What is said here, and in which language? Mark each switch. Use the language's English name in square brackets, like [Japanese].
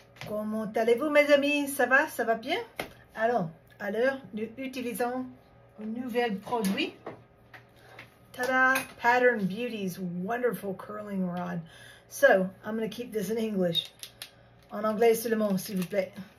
[French] Comment allez-vous, mes amis? Ça va bien? Alors, à l'heure, nous utilisons un nouvel produit. [English] Ta-da! Pattern Beauty's Wonderful Curling Rod. So, I'm going to keep this in English. [French] En anglais seulement, s'il vous plaît.